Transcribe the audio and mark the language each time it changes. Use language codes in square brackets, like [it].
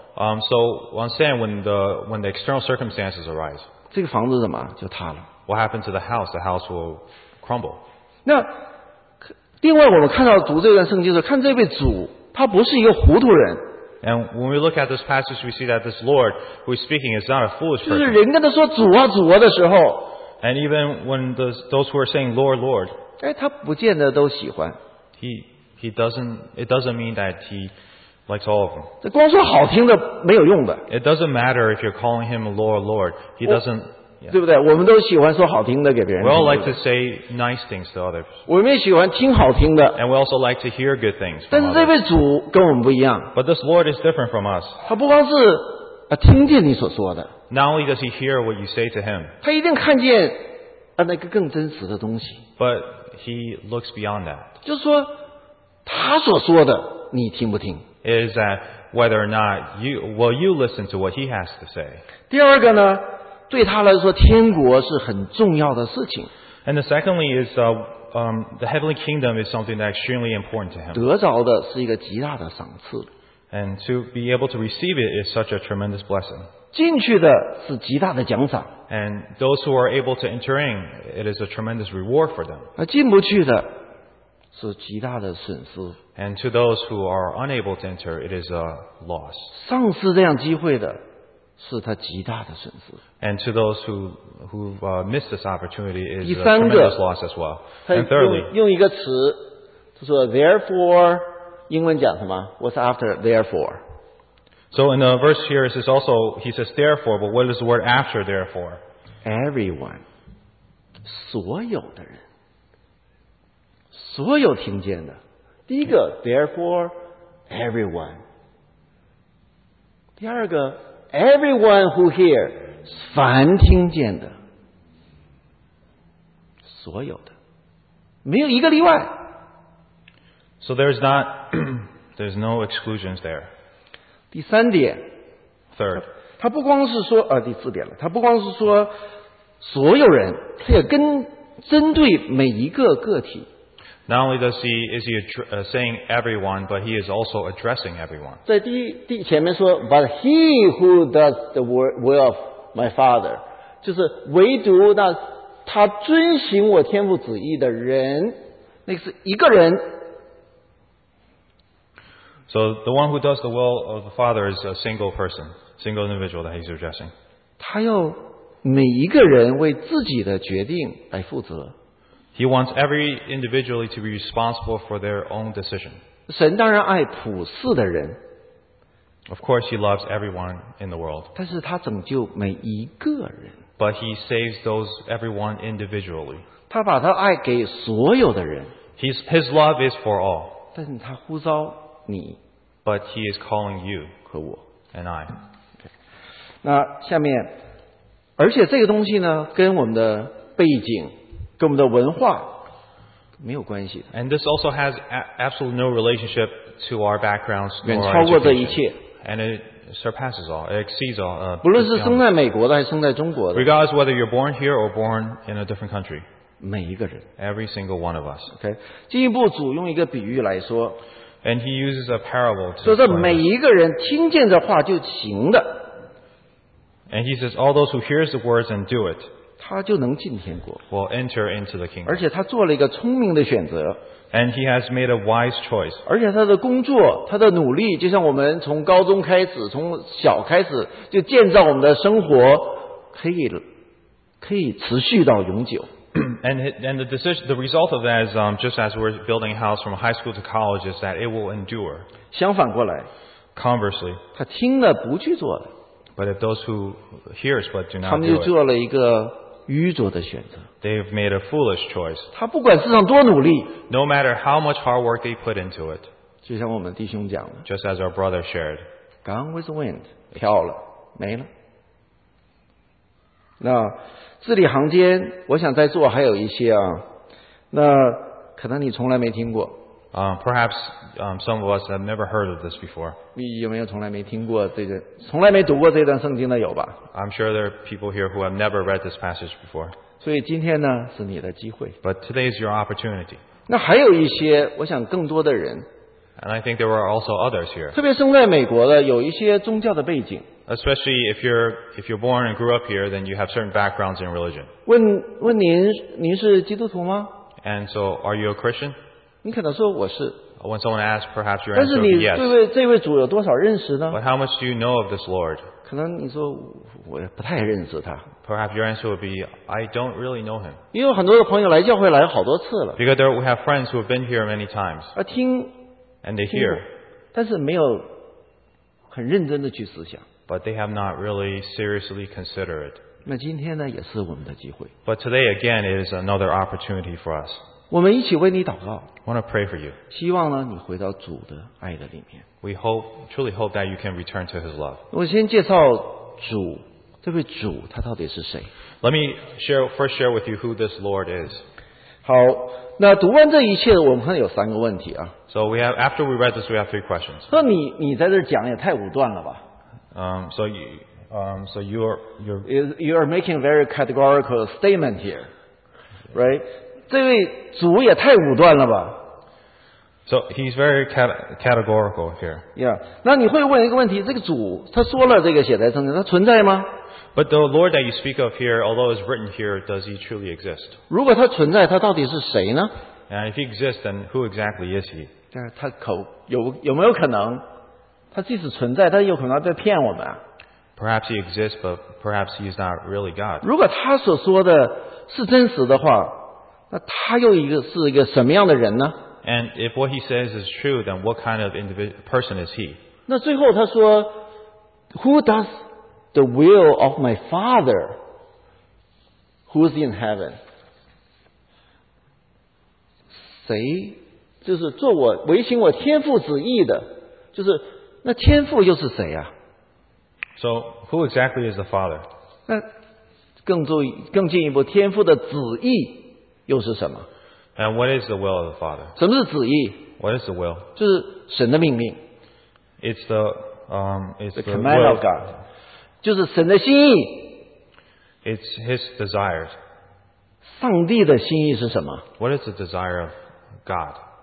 [en] So I'm saying when the external circumstances arise. [zh] 这个房子怎么就塌了 [en] ？What happened to the house? The house will crumble. [zh] 那另外，我们看到读这段圣经的时候，看这位主，他不是一个糊涂人。 [en] And when we look at this passage, we see that this Lord who is speaking is not a foolish person. [zh] 就是人跟他说主啊主啊的时候。 [en] And even when those who are saying Lord, Lord. [zh] 他不见得都喜欢。 [en] It doesn't mean that he likes all of them. [zh] 这光说好听的没有用的。 [en] It doesn't matter if you're calling him Lord, Lord. He doesn't. [zh] 对不对？我们都喜欢说好听的给别人。 [en] We all like to say nice things to others. [zh] 我们也喜欢听好听的。 [en] And we also like to hear good things. [zh] 但是这位主跟我们不一样。 [en] But this Lord is different from us. [zh] 他不光是他听见你所说的。 [en] Not only does he hear what you say to him. [zh] 他一定看见那个更真实的东西。 [en] But he looks beyond that. [zh] 就是说他所说的你听不听。 [en] Is that whether or not you, will you listen to what he has to say? [zh] 第二个呢，对他来说天国是很重要的事情。 [en] And the secondly is, the heavenly kingdom is something that's extremely important to him. [zh] 得着的是一个极大的赏赐。 [en] And to be able to receive it is such a tremendous blessing. [zh] 进去的是极大的奖赏。 [en] And those who are able to enter in, it is a tremendous reward for them. [zh] 而进不去的是极大的损失。 [en] And to those who are unable to enter, it is a loss. [zh] 丧失这样机会的是他极大的损失。 [en] And to those who miss this opportunity is a tremendous loss as well. And thirdly, [zh] 用一个词，就说 therefore, 英文讲什么 ？ [en] What's after therefore? So in the verse here, it says also he says therefore, but what is the word after therefore? [zh] Everyone, 所有的人，所有听见的，第一个 therefore, everyone. 第二个 [en] everyone who hear, [zh] 凡听见的，所有的，没有一个例外。 [en] So there's not, there's no exclusions there. [zh] 第三点 [en] Third. [zh] 他不光是说第四点了，他不光是说所有人，他也跟针对每一个个体。 [en] Not only does is he saying everyone, but he is also addressing everyone. [zh] 在第前面说 [en] but he who does the will of my father, [zh] 就是唯独那他遵行我天父旨意的人，那是一个人。 [en] So the one who does the will of the Father is a single person, single individual that he's addressing. [zh] 他要每一个人为自己的决定来负责。 [en] He wants every individually to be responsible for their own decision. [zh] 神当然爱普世的人。 [en] Of course, he loves everyone in the world. [zh] 但是他拯救每一个人。 [en] But he saves those everyone individually. [zh] 他把他爱给所有的人。 [en] His love is for all. [zh] 但是他呼召。你 [en] but he is calling you [zh] 和我 [en] and I. Okay. [zh] 那下面，而且这个东西呢，跟我们的背景，跟我们的文化没有关系的。 [en] And this also has absolutely no relationship to our backgrounds. [zh] 远超过这一切。 [en] And it surpasses all. It exceeds all. [zh] 不论是生在美国的还是生在中国的。 [en] Regardless whether you're born here or born in a different country. [zh] 每一个人。 [en] Every single one of us. Okay. [zh] 进一步主用一个比喻来说。 [en] And he uses a parable to [zh] 说这每一个人听见这话就行的。 [en] And he says, all those who hear the words and do it, [zh] 他就能进天国。 [en] Will enter into the kingdom. [zh] 而且他做了一个聪明的选择。 [en] And he has made a wise choice. [zh] 而且他的工作，他的努力，就像我们从高中开始，从小开始，就建造我们的生活，可以持续到永久。 [en] And the decision, the result of that is, just as we're building a house from high school to college, is that it will endure. [zh] 相反过来 [en] Conversely, [zh] 他听了不去做了 [en] But if those who hear but do not do it, [zh] 他们就做了一个愚拙的选择 [en] They've made a foolish choice. [zh] 他不管世上多努力 [en] No matter how much hard work they put into it, [zh] 就像我们弟兄讲的 [en] Just as our brother shared, Gone with the wind, [zh] 飘了，没了。那字里行间，我想在座还有一些啊，那可能你从来没听过。 [en] Perhaps some of us have never heard of this before. [zh] 你有没有从来没听过这个，从来没读过这段圣经的有吧 [en] ？I'm sure there are people here who have never read this passage before. [zh] 所以今天呢是你的机会。 [en] But today is your opportunity. [zh] 那还有一些，我想更多的人。 [en] And I think there are also others here. [zh] 特别生在美国的，有一些宗教的背景。 [en] Especially if you're born and grew up here, then you have certain backgrounds in religion. [zh] 问您是基督徒吗 [en] ？And so, are you a Christian? [zh] 你可能说我是。 [en] When someone asks, perhaps your answer is yes. [zh] 但是你这位主有多少认识呢 [en] ？But how much do you know of this Lord? [zh] 可能你说我不太认识他。 [en] Perhaps your answer would be, I don't really know him. [zh] 因为很多的朋友来教会来好多次了。 [en] Because we have friends who have been here many times. [zh] 啊，听。 [en] And they hear. [zh] 但是没有很认真的去思想。 [en] But they have not really seriously considered it. [zh] 那今天呢，也是我们的机会。 [en] But today again, it is another opportunity for us. [zh] 我们一起为你祷告。 [en] I want to pray for you. [zh] 希望呢，你回到主的爱的里面。 [en] We hope, truly hope that you can return to His love. [zh] 我先介绍主，这位主他到底是谁 [en] ？Let me share first share with you who this Lord is. [zh] 好，那读完这一切，我们看有三个问题啊。 [en] So we have after we read this, we have three questions. [zh] 那你在这讲也太武断了吧？ [en] So you are making a very categorical statement here, right? [zh] 这位主也太武断了吧。 [en] So he's very categorical here. Yeah. [zh] 那你会问一个问题，这个主他说了这个写在圣经，他存在吗？ [en] But the Lord that you speak of here, although it's written here, does he truly exist? [zh] 如果他存在，他到底是谁呢？ [en] And if he exists, then who exactly is he? [zh] 但是他有没有可能？他即使存在，他有可能在骗我们。 [en] Perhaps he exists, but perhaps he's not really God. [zh] 如果他所说的是真实的话，那他又是一个什么样的人呢？ [en] And if what he says is true, then what kind of person is he? [zh] 那最后他说 ， [en] Who does the will of my Father? Who is in heaven? [zh] 谁就是做我违行我天父旨意的，就是。那天父又是谁啊？ [en] So who exactly is the Father? [zh] 那更进一步，天父的旨意又是什么？ [en] And what is the will of the Father? [zh] 什么是旨意？ [en] What is the will? [zh] 就是神的命令。 [en] It's the the command of God. [zh] 就是神的心意。 [en] It's His desires. [zh] 上帝的心意是什么？ [en] What is the desire of God?